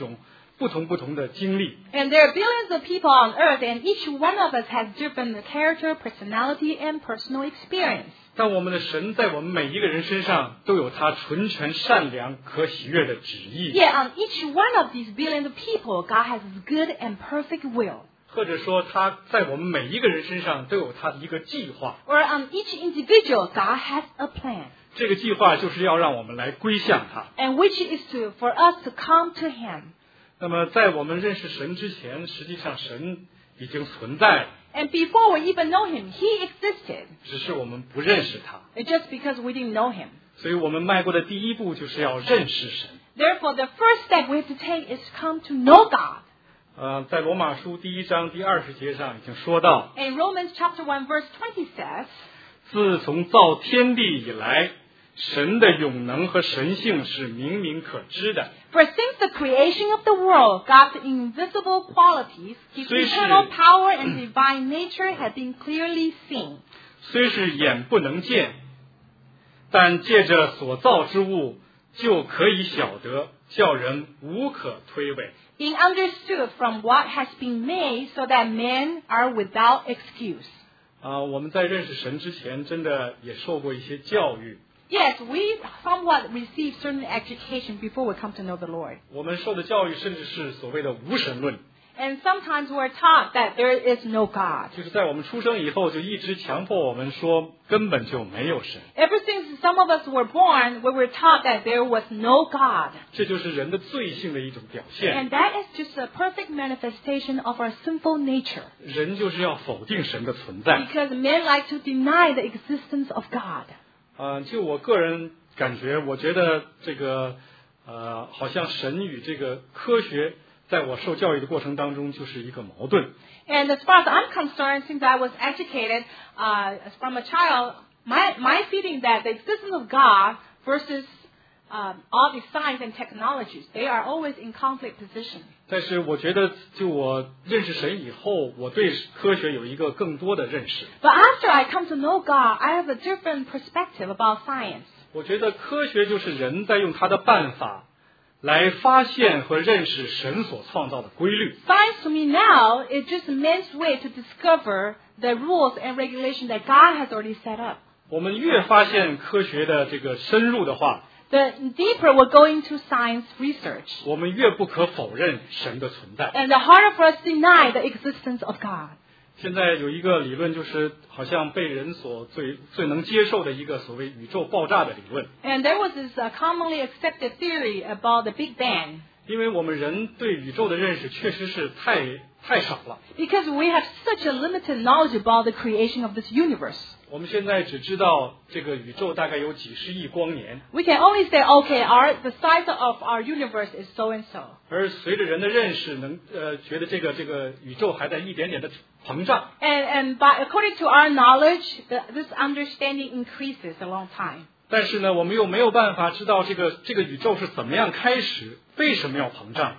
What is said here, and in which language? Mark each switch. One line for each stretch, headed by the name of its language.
Chinese: 我们这几十亿个人就有几十亿种品性，几十亿种性格，几十亿种不同的经历。
English: And there are billions of people on earth, and each one of us has different character, personality, and personal experience.
Chinese: 但我们的神在我们每一个人身上都有他纯全、善良、可喜悦的旨意。
English: Yet on each one of these billions of people, God has His good and perfect will.
Chinese: 或者说，他在我们每一个人身上都有他的一个计划。
English: Or on each individual, God has a plan.
Chinese: 这个计划就是要让我们来归向他。
English: And which is to for us to come to Him.
Chinese: 那么，在我们认识神之前，实际上神已经存在了。
English: And before we even know Him, He existed.
Chinese: 只是我们不认识他。
English: It's just because we didn't know Him.
Chinese: 所以我们迈过的第一步就是要认识神。
English: Therefore, the first step we have to take is come to know God.
Chinese: 在罗马书第一章第二十节上已经说到。
English: In Romans chapter 1 verse 20 says,
Chinese: 自从造天地以来，神的永能和神性是明明可知的。
English: For since the creation of the world, God's invisible qualities, His eternal power and divine nature have been clearly seen.
Chinese: 虽是眼不能见，但借着所造之物就可以晓得，叫人无可推诿。
English: Being understood from what has been made, so that men are without excuse.
Chinese: 我们在认识神之前，真的也受过一些教育。
English: Yes, we somewhat received certain education before we come to know the Lord.
Chinese: 我们受的教育甚至是所谓的无神论。
English: And sometimes we're taught that there is no God.
Chinese: 就是在我们出生以后，就一直强迫我们说根本就没有神。
English: Ever since some of us were born, we were taught that there was no God.
Chinese: 这就是人的罪性的一种表现。
English: And that is just a perfect manifestation of our sinful nature.
Chinese: 人就是要否定神的存在。
English: Because men like to deny the existence of God.
Chinese: 就我个人感觉，我觉得这个好像神与这个科学。在我受教育的过程当中就是一个矛盾。
English: And as far as I'm concerned, since I was educated, from a child, my feeling that the existence of God versus, all these science and technologies, they are always in conflict position.
Chinese: 但是我觉得就我认识神以后，我对科学有一个更多的认识。
English: But after I come to know God, I have a different perspective about science.
Chinese: 我觉得科学就是人在用他的办法来发现和认识神所创造的规律。
English: Science to me now is just a man's way to discover the rules and regulations that God has already set up.
Chinese: 我们越发现科学的这个深入的话，
English: the deeper we go into science research,
Chinese: 我们越不可否认神的存在。
English: And the harder for us to deny the existence of God.
Chinese: 现在有一个理论就是好像被人所最能接受的一个所谓宇宙爆炸的理论。
English: And there was this commonly accepted theory about the Big Bang.
Chinese: 因为我们人对宇宙的认识确实是太少了。
English: Because we have such a limited knowledge about the creation of this universe.
Chinese: 我们现在只知道这个宇宙大概有几十亿光年。
English: We can only say, okay, the size of our universe is so and so.
Chinese: 而随着人的认识能觉得这个宇宙还在一点点的膨胀。
English: And by according to our knowledge, this understanding increases a long time.
Chinese: 但是呢，我们又没有办法知道这个宇宙是怎么样开始，为什么要膨胀。